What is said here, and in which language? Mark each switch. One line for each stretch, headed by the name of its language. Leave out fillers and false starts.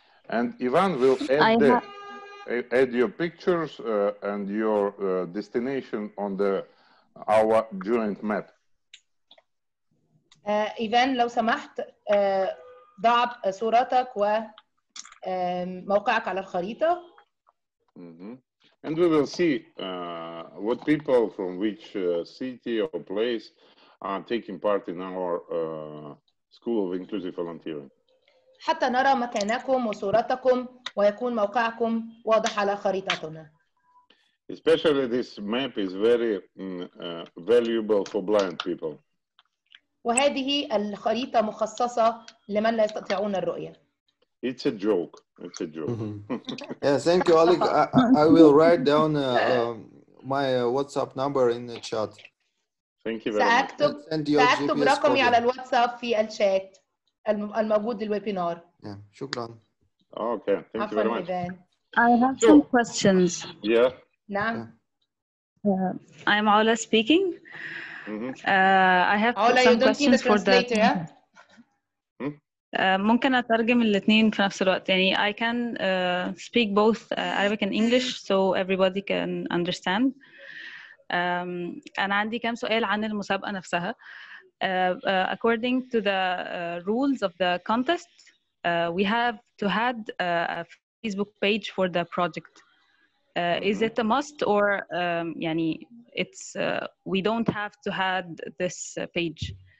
English: And Ivan will add your pictures and your destination on our joint map.
Arabic: إيفان لو سمحت ضع صورتك وموقعك على الخريطة.
English: And we will see what people from which city or place are taking part in our School of Inclusive Volunteering.
Arabic: حتى نرى مكانكم وصورتكم ويكون موقعكم واضح على خريطتنا.
English: Especially this map is very valuable for blind people.
Arabic: وهذه الخريطة مخصصة لمن لا يستطيعون الرؤية.
English: It's a joke. It's a joke. Mm-hmm. Yeah, thank you, Alec. I will write down my WhatsApp number in the chat. Thank you very much.
Arabic: سأكتب رقمي على الواتساب في الشات الموجود للويبينار.
English: Yeah,
Arabic: شكراً.
English: Okay, thank you very much. Then. I have some questions. Yeah.
Arabic: نعم.
English: I'm Ola speaking. Mm-hmm. I have Ola, some questions for the translator.
Arabic: ممكن أترجم الاثنين في نفس الوقت.
English: يعني I can speak both Arabic and English so everybody can understand.
Arabic: أنا عندي كم سؤال عن المسابقة نفسها.
English: According to the rules of the contest, we have to had a Facebook page for the project. Is it a must or يعني it's we don't have to had this page?